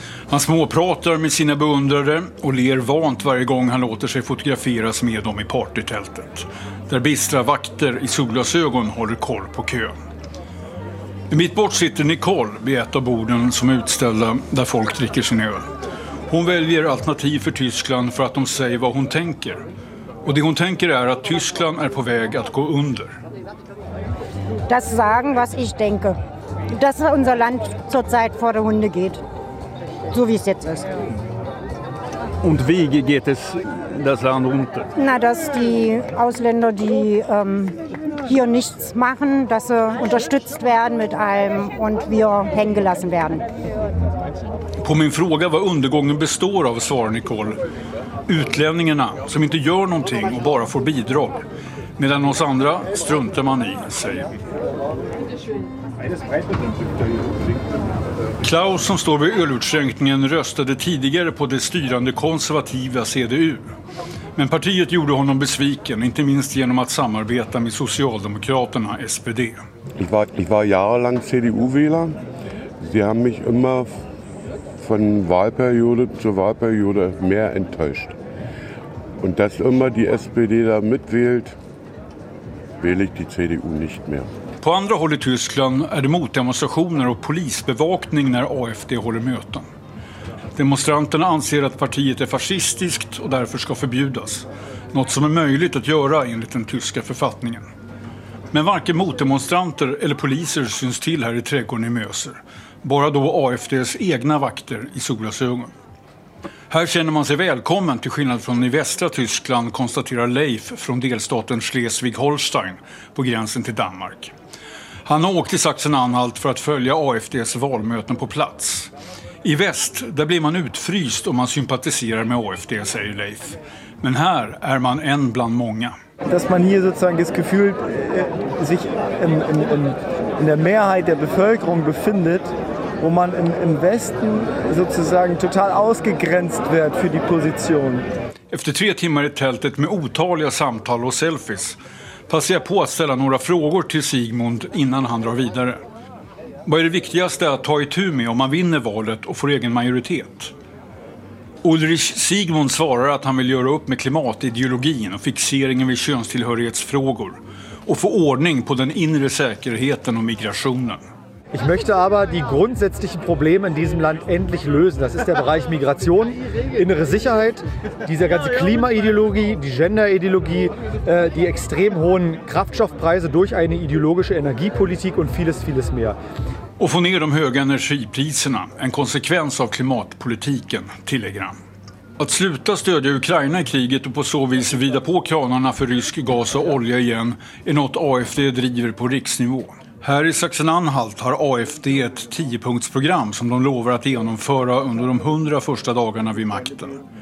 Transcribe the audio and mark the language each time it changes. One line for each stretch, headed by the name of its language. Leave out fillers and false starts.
Swedish: Han småpratar med sina beundrare och ler vant varje gång han låter sig fotograferas med dem i partytältet, där bistra vakter i solglasögon håller koll på kön. I mitt bort sitter Nicole vid ett av borden som är utställda där folk dricker sin öl. Hon väljer alternativ för Tyskland för att de säger vad hon tänker. Och det hon tänker är att Tyskland är på väg att gå under.
German: Das sagen was ich denke. Dass unser Land zurzeit vor der Hunde geht. So wie es jetzt ist. Und wie geht es das Land unter? Na, dass die Ausländer, die hier nichts machen, dass sie unterstützt werden mit allem und wir hängen gelassen werden.
Swedish: På min fråga vad undergången består av, svarar Nicole: utlänningarna som inte gör någonting och bara får bidrag. Medan oss andra struntar man i, säger Klaus, som står vid ölutskänkningen, röstade tidigare på det styrande konservativa CDU. Men partiet gjorde honom besviken, inte minst genom att samarbeta med Socialdemokraterna, SPD. Jag var
German: jahrelang CDU-wähler.
Swedish: De har mig
German: immer von Wahlperiode zu Wahlperiode mehr enttäuscht. Und dass immer die SPD da mitwählt, wähle ich die CDU nicht mehr.
Swedish: På andra håll i Tyskland är det motdemonstrationer och polisbevakning när AfD håller möten. Demonstranterna anser att partiet är fascistiskt och därför ska förbjudas. Något som är möjligt att göra enligt den tyska författningen. Men varken motdemonstranter eller poliser syns till här i trädgården i Möser. Bara då AfDs egna vakter i solglasögon. Här känner man sig välkommen till skillnad från i västra Tyskland, konstaterar Leif från delstaten Schleswig-Holstein på gränsen till Danmark. Han har åkt till Sachsen-Anhalt för att följa AfDs valmöten på plats. I väst, där blir man utfryst om man sympatiserar med AfD, säger Leif. Men här är man en bland många.
German: Dass man hier sozusagen das Gefühl sich in der Mehrheit der Bevölkerung befindet, wo man im Westen sozusagen total ausgegrenzt wird für die Position.
Swedish: Efter 3 timmar i tältet med otaliga samtal och selfies passar jag på att ställa några frågor till Sigmund innan han drar vidare. Vad är det viktigaste att ta itu med om man vinner valet och får egen majoritet? Ulrich Sigmund svarar att han vill göra upp med klimatideologin och fixeringen vid könstillhörighetsfrågor och få ordning på den inre säkerheten och migrationen.
German: Ich möchte aber die grundsätzlichen Probleme in diesem Land endlich lösen. Das ist der Bereich Migration, innere Sicherheit, diese ganze Klimaideologie, die Genderideologie, die extrem hohen Kraftstoffpreise durch eine ideologische Energiepolitik und vieles, vieles mehr.
Swedish: Och få ner de höga energipriserna, en konsekvens av klimatpolitiken, tillägger han. Att sluta stödja Ukraina i kriget och på så vis vrida på kranarna för rysk gas och olja igen är något AfD driver på riksnivå. Här i Sachsen-Anhalt har AfD ett 10-punktsprogram som de lovar att genomföra under de 100 första dagarna vid makten.